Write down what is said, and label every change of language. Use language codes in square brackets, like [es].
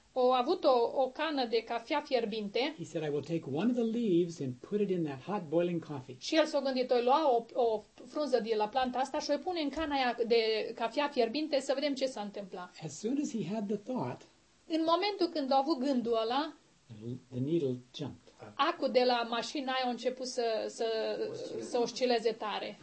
[ro] A avut o cană de cafea fierbinte. [en] He said, I will take one of the leaves and put it in that hot boiling coffee. [ro] Și el s-a gândit, o lua o frunză de la planta asta și o pune în cana aia de cafea fierbinte să vedem ce s-a întâmplat. [en] As soon as he had the thought, [ro] în momentul când a avut gândul ăla, [en] the needle jumped. [ro] Acul de la mașina aia a început să oscileze tare.